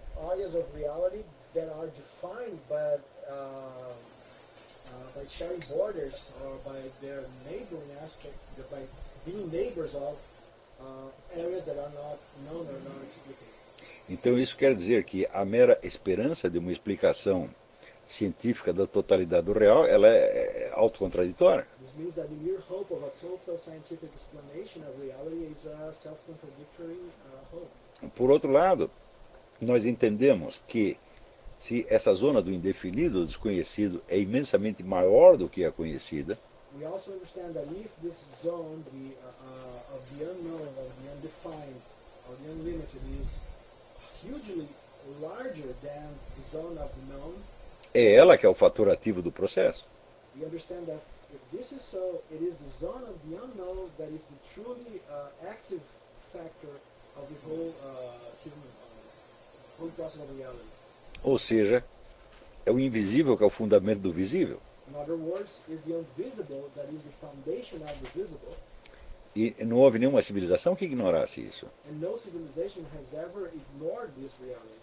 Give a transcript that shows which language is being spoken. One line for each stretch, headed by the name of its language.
English: Áreas of reality that are defined by sharing borders or by their neighboring aspect, by being neighbors of areas that are not known or not explicable.
Portuguese: Então isso quer dizer que a mera esperança de uma explicação científica da totalidade do real, ela é autocontraditória.
English: This means that the mere hope of a total scientific explanation of reality is a self-contradictory hope.
Portuguese: Por outro lado, nós entendemos que se essa zona do indefinido, do desconhecido, é imensamente maior do que a conhecida,
English: we also understand that if this zone of the unknown, of the undefined, of the unlimited is hugely larger than the zone of the known.
Portuguese: É ela que é o fator ativo do processo.
English: We understand that if this is so, it is the zone of the unknown that is the truly active factor of the whole human, whole process of reality.
Portuguese: Ou seja, é o invisível que é o fundamento do visível.
English: In other words, it's the invisible that is the foundation of the visible.
Portuguese: E não houve nenhuma civilização que ignorasse isso.
English: And no civilization has ever ignored this reality.